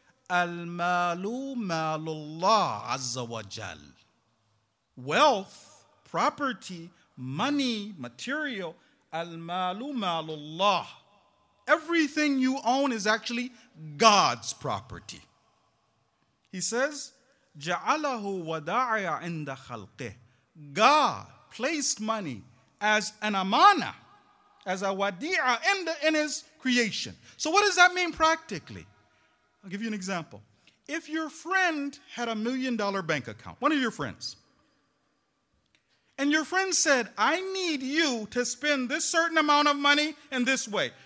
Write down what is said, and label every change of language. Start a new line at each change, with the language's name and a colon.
Arabic: Al malu malullah azza wa jal.
English: Wealth, property, money, material.
Arabic: Al malu malullah.
English: Everything you own is actually God's property. He says,
Arabic: جَعَلَهُ وَدَعَيَ عِنْدَ خَلْقِهِ.
English: God placed money as an amana, as a wadi'a in his creation. So what does that mean practically? I'll give you an example. If your friend had $1 million bank account, one of your friends, and your friend said, I need you to spend this certain amount of money in this way.